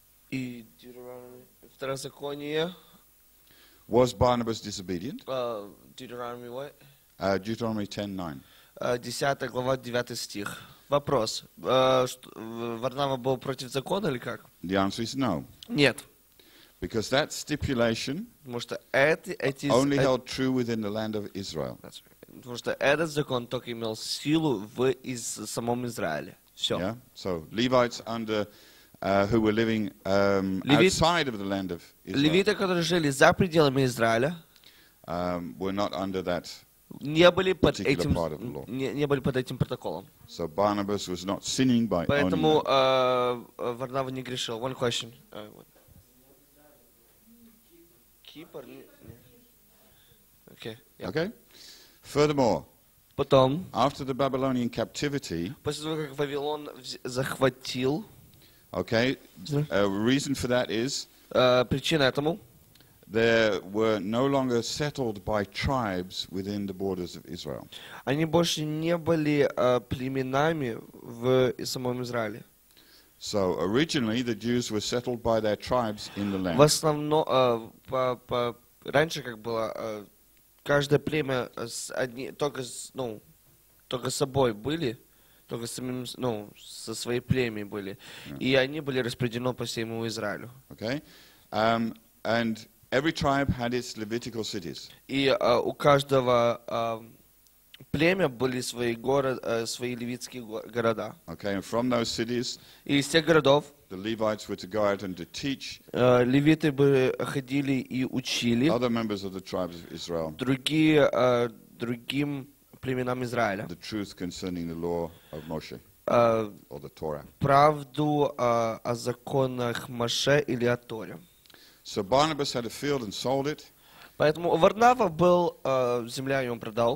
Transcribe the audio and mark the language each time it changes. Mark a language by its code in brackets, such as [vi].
[ru] И Второзаконие. [en] Was Barnabas disobedient? Deuteronomy what? Deuteronomy 10:9. [ru] 10 глава, 9 стих. Вопрос. Варнава был против закона или как? [en] The answer is no. [ru] Нет. [en] Because that stipulation only held true within the land of Israel. [ru] Потому что этот закон только имел силу в самом Израиле. Все. [en] Yeah? So, Levites under who were living outside of the land of Israel. [ru] Левиты, которые жили за пределами Израиля, [en] were not under that. [ru] Не были под этим протоколом. [en] So Barnabas was not sinning by owning. [ru] Поэтому Варнава не грешил. [en] One question. [ru] Кипр. [en] Okay. Furthermore. [ru] Потом. [en] After the Babylonian captivity. [ru] После того, как Вавилон захватил. [en] Okay. A reason for that is. [ru] Причина этому. [en] They were no longer settled by tribes within the borders of Israel. [ru] Они больше не были племенами в самом Израиле. [en] So originally the Jews were settled by their tribes in the land. [ru] В основном раньше как было каждое племя с одни только с, ну, только с собой были, только самим, ну, со своей племенем были. Okay. И они были распределены по всему Израилю. [en] Okay? And every tribe had its Levitical cities. [ru] И у каждого племя были свои города, свои левитские города. [en] Okay, and from those cities. [ru] И из тех городов. [en] The Levites were to go out and to teach. [ru] Левиты бы ходили и учили. [en] Other members of the tribes of Israel. [ru] Другим племенам Израиля. [en] The truth concerning the law of Moshe. Or the Torah. [ru] Правду о законах Моше или о Торе. [en] So Barnabas had a field and sold it. [ru] Поэтому у Варнава был земля, и он продал.